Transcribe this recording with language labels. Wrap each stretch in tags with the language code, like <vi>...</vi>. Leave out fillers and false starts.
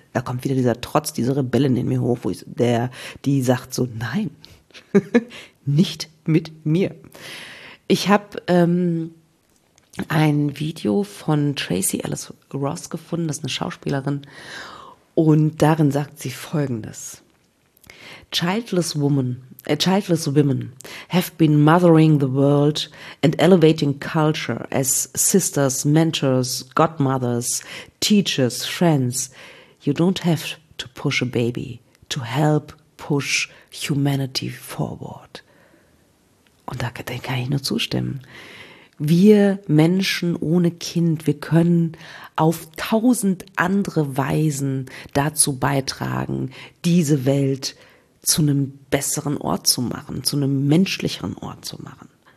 <de>Da kommt wieder dieser Trotz, diese Rebellen in mir hoch, die sagt so, nein, nicht mit mir. Ich habe ein Video von Tracy Ellis Ross gefunden, das ist eine Schauspielerin, und darin sagt sie Folgendes.</de> <en>Childless women have been mothering the world and elevating culture as sisters, mentors, godmothers, teachers, friends. You don't have to push a baby to help push humanity forward.</en> <de>Und da kann ich nur zustimmen. Wir Menschen ohne Kind, wir können auf tausend andere Weisen dazu beitragen, diese Welt zu einem besseren Ort zu machen, zu einem menschlicheren Ort zu machen.</de>